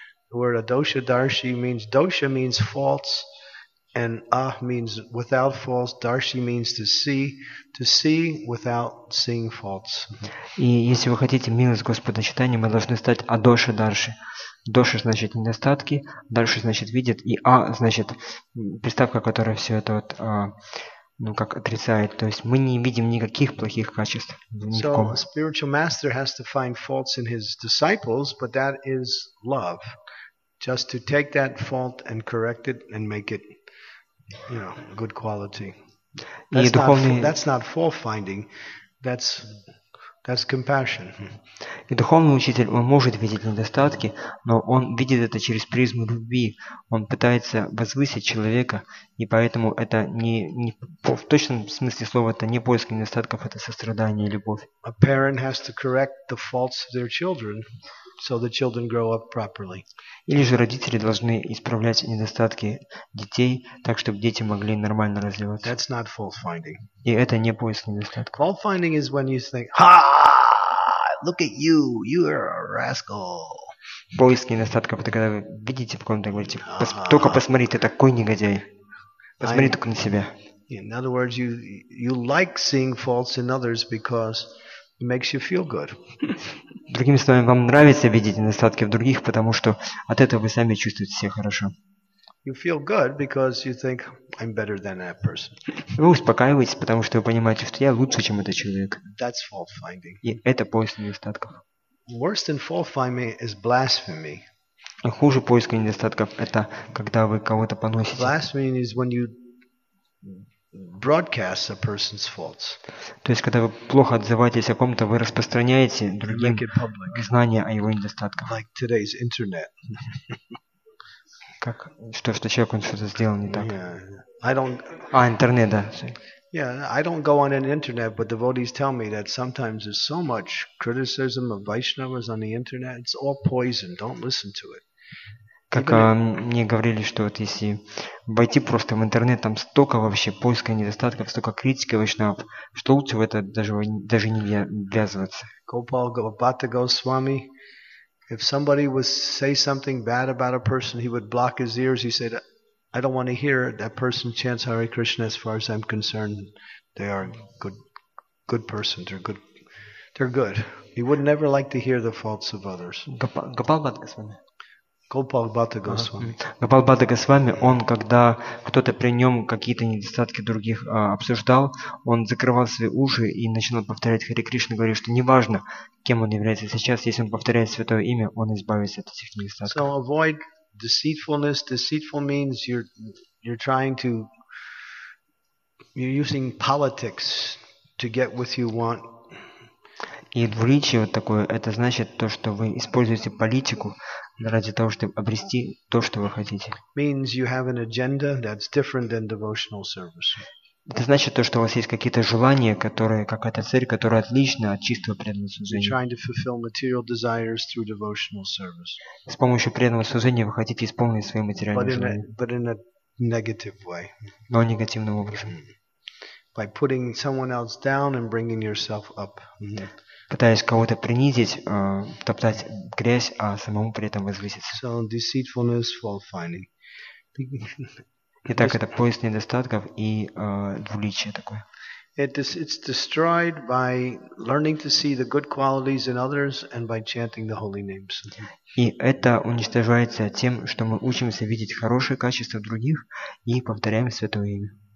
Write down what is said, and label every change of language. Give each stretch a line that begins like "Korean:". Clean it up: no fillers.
English: The word a dosha darshi means dosha means faults, and ah means without faults. Darshi means to see without seeing faults.
Russian: И если вы хотите милость Господа Читания, мы должны стать адоша дарши. Доша значит недостатки, дальше значит видит, и а значит приставка, которая все это вот, ну как отрицает. То есть мы не видим никаких плохих качеств.
English: So a spiritual master has to find faults in his disciples, but that is love. Just to take that fault and correct it and make it, you know, good quality. That's not fault finding. That's That's compassion.
Russian: И духовный учитель, он может видеть недостатки, но он видит это через призму любви. Он пытается возвысить человека, и поэтому это не в точном смысле слова, это не поиск недостатков, это сострадание и любовь.
English: A parent has to correct the faults of their children, so the children grow up properly.
Russian: Или же родители должны исправлять недостатки детей, так чтобы дети могли нормально развиваться.
English: That's not fault finding.
Russian: И это не поиск недостатков.
English: Fault finding is when you think, ha, look at you, you are a rascal.
Russian: Поиск недостатков — это когда вы видите в ком-то и говорите: только посмотри, ты такой негодяй. Посмотри только на себя.
English: In other words, you like seeing faults in others because it makes you feel good.
Russian: Другими словами, вам нравится видеть недостатки в других, потому что от этого вы сами чувствуете себя хорошо.
English: You feel good because you think I'm better than that person.
Russian: Вы успокаиваетесь, потому что вы понимаете, что я лучше, чем этот человек.
English: That's fault finding.
Russian: И это поиск недостатков.
English: Worse than fault finding is blasphemy.
Russian: А хуже поиска недостатков — это когда вы кого-то поносите.
English: Blasphemy is when you broadcast a person's faults.
Russian: То есть когда вы плохо отзываетесь о ком-то, вы распространяете другим знания о его недостатках.
English: Like today's internet.
Russian: Как что человек, он что-то сделал не так.
English: Yeah, I don't.
Russian: А интернет, да.
English: Yeah, I don't go on an internet, but devotees tell me that sometimes there's so much criticism of Vaishnavas on the internet. It's all poison. Don't listen to it.
Russian: Как мне говорили, что вот если войти просто в интернет, там столько вообще поиска недостатков, столько критики вайшнав, что лучше в это даже не ввязываться.
English: Gopal Bhatta Goswami, if somebody would say something bad about a person, he would block his ears. He said, I don't want to hear that person chants Hare Krishna. As far as I'm concerned, they are good person. They're good. He would never like to hear the faults of others. Gopal Bhatta Goswami. Gopal Bhatta Goswami.
Russian: Gopal Bhatta Goswami, он когда кто-то при нем какие-то недостатки других обсуждал, он закрывал свои уши и начинал повторять Хари Кришна, говорил, что неважно, кем он является сейчас, если он повторяет святое имя, он избавится от этих недостатков.
English: So avoid deceitfulness. Deceitful means you're trying to, you're using politics to get what you want.
Russian: И двуличие вот такое, это значит то, что вы используете политику ради того, чтобы обрести то, что вы хотите.
English: Means you have an agenda that's different than devotional service.
Russian: Это значит то, что у вас есть какие-то желания, которые, какая-то цель, которая отлична от чистого преданного служения.
English: You're trying to fulfill material desires through devotional service.
Russian: С помощью преданного служения вы хотите исполнить свои материальные желания.
English: But in a negative way.
Russian: Но негативным образом.
English: By putting someone else down and bringing yourself up.
Russian: Пытаясь кого-то принизить, топтать грязь, а самому при этом возвыситься.
English: So deceitfulness, fault finding.
Russian: Итак, это поиск недостатков и двуличие такое.
English: It's destroyed by learning to see the good qualities in others and by chanting the holy names.
Russian: И это уничтожается тем, что мы учимся видеть хорошие качества в других и повторяем святое имя.